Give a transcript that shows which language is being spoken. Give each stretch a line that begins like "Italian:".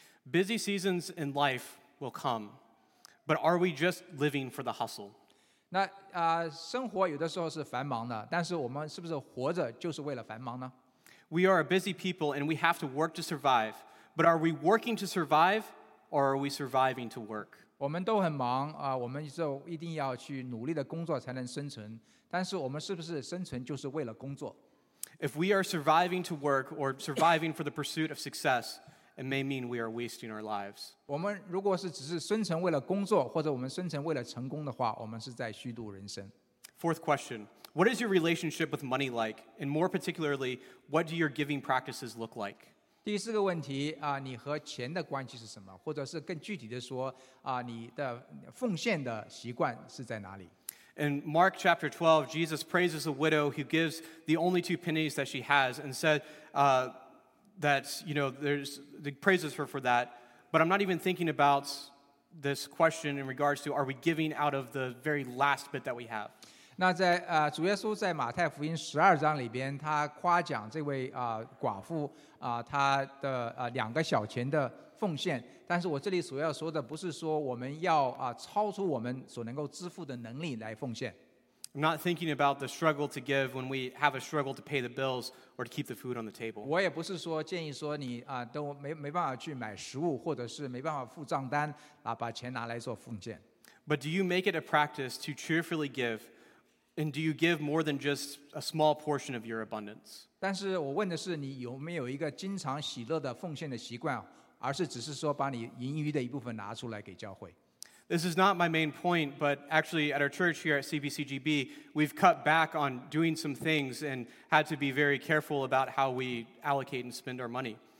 English: Busy seasons in life will come, but are we just living for the hustle?
Chinese: 那, 生活有的时候是繁忙的, 但是我们是不是活着就是为了繁忙呢?
English: We are a busy people and we have to work to survive, but are we working to survive or are we surviving to work?
Chinese: 我们都很忙, 我们就一定要去努力的工作才能生存, 但是我们是不是生存就是为了工作?
English: If we are surviving to work or surviving for the pursuit of success, it may mean we are wasting our lives.
Chinese: 我们如果是只是顺从为了工作，或者我们顺从为了成功的话，我们是在虚度人生。
English: Fourth question: What is your relationship with money like? And more particularly, what do your giving practices look like?
Chinese: 第四个问题啊，你和钱的关系是什么？或者是更具体的说啊，你的奉献的习惯是在哪里？
English: In Mark chapter 12, Jesus praises a widow who gives the only two pennies that she has and said that, you know, there's, he praises her for that. But I'm not even thinking about this question in regards to are we giving out of the very last bit that we have.
Chinese: 那在主耶稣在马太福音十二章里边，他夸奖这位寡妇他的两个小钱的奉献。但是我这里所要说的不是说我们要超出我们所能够支付的能力来奉献。
English: I'm not thinking about the struggle to give when we have a struggle to pay the bills or to keep the food on the table.
Chinese: 我也不是说建议说你都没办法去买食物，或者是没办法付账单把钱拿来做奉献。
English: But do you make it a practice to cheerfully give, and do you give more than just a small portion of your abundance?
Chinese: 但是我问的是你有没有一个经常喜乐的奉献的习惯，而是只是说把你盈余的一部分拿出来给教会。
English: This is not my main point, but actually at our church here at CBCGB, we've cut back on doing some things and had to be very careful about how we allocate and spend our money.